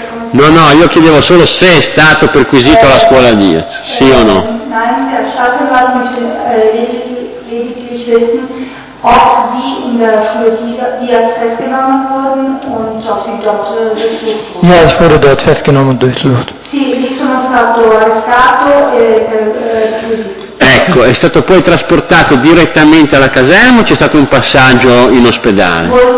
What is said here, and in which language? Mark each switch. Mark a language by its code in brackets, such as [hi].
[it] No, no, io chiedevo solo se è stato perquisito alla scuola Diaz, sì o no? [de] Nein, der Staatsanwalt möchte lediglich wissen, ob sie in der Schule Diaz festgenommen wurden und ob sie dort durchsucht wurden. Ja, ich wurde dort festgenommen und durchsucht. [it] Sì, ich sono stato arrestato e perquisito. Ecco, è stato poi trasportato direttamente alla caserma o c'è stato un passaggio in ospedale?